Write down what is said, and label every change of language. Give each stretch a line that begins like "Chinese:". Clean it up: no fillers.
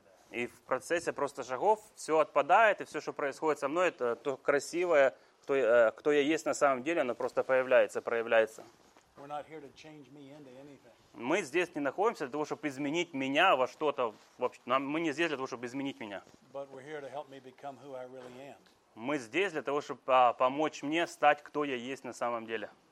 Russian: И в процессе просто шагов все отпадает, и все, что происходит со мной, это то красивое, кто я есть на самом деле, оно просто появляется, проявляется.
English: We're not here to change me into anything.
Russian: Мы здесь не находимся для того, чтобы изменить меня во что-то. Мы не здесь для того, чтобы изменить меня.
English: But we're here to help me become who I really am.
Russian: Мы здесь для того, чтобы помочь мне стать, кто я есть на самом деле.